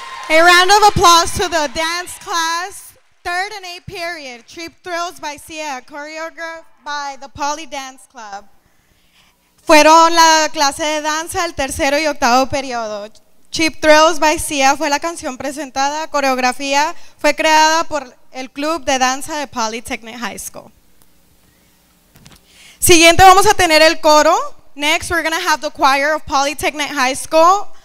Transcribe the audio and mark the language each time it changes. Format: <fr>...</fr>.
<en>A round of applause to the dance class, third and eighth period, Trip Thrills by Sia, choreographed by the Poly Dance Club.</en> <es>Fueron la clase de danza del tercero y octavo periodo. Trip Thrills by Sia fue la canción presentada, coreografía fue creada por el club de danza de Polytechnic High School. Siguiente vamos a tener el coro.</es> <en>Next we're going to have the choir of Polytechnic High School.</en>